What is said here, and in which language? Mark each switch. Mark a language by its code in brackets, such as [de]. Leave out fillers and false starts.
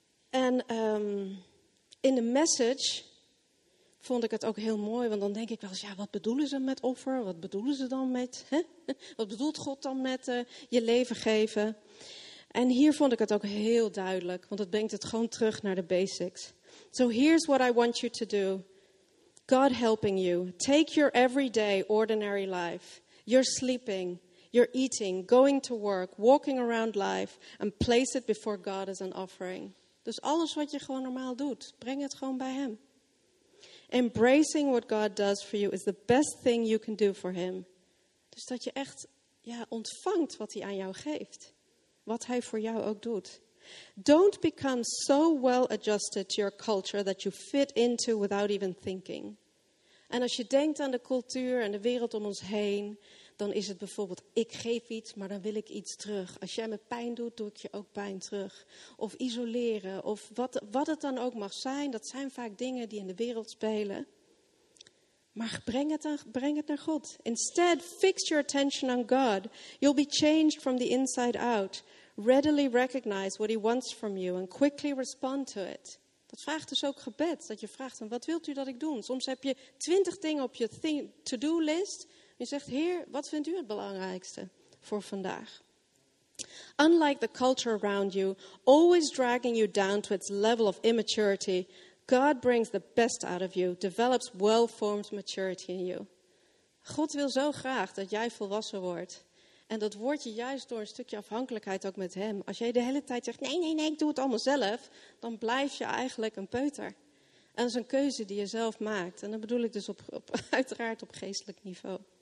[nl] En in de message vond ik het ook heel mooi. Want dan denk ik wel eens, ja, wat bedoelen ze met offer? Wat bedoelen ze dan met, hè? Wat bedoelt God dan met je leven geven? En hier vond ik het ook heel duidelijk. Want het brengt het gewoon terug naar de basics. [en] So here's what I want you to do. God helping you. Take your everyday ordinary life. You're sleeping. You're eating, going to work, walking around life, and place it before God as an offering. [nl] Dus alles wat je gewoon normaal doet, breng het gewoon bij hem. [en] Embracing what God does for you is the best thing you can do for him. [nl] Dus dat je echt ontvangt wat hij aan jou geeft. Wat hij voor jou ook doet. [en] Don't become so well adjusted to your culture that you fit into without even thinking. [nl] En als je denkt aan de cultuur en de wereld om ons heen, dan is het bijvoorbeeld, ik geef iets, maar dan wil ik iets terug. Als jij me pijn doet, doe ik je ook pijn terug. Of isoleren, of wat het dan ook mag zijn. Dat zijn vaak dingen die in de wereld spelen. Maar breng het naar God. [en] Instead, fix your attention on God. You'll be changed from the inside out. Readily recognize what he wants from you and quickly respond to it. [nl] Dat vraagt dus ook gebed, dat je vraagt, wat wilt u dat ik doe? Soms heb je 20 dingen op je to-do list. Je zegt, Heer, wat vindt u het belangrijkste voor vandaag? [en] Unlike the culture around you, always dragging you down to its level of immaturity, God brings the best out of you, develops well-formed maturity in you. [nl] God wil zo graag dat jij volwassen wordt. En dat word je juist door een stukje afhankelijkheid ook met hem. Als jij de hele tijd zegt, nee, ik doe het allemaal zelf, dan blijf je eigenlijk een peuter. En dat is een keuze die je zelf maakt. En dat bedoel ik dus uiteraard op geestelijk niveau.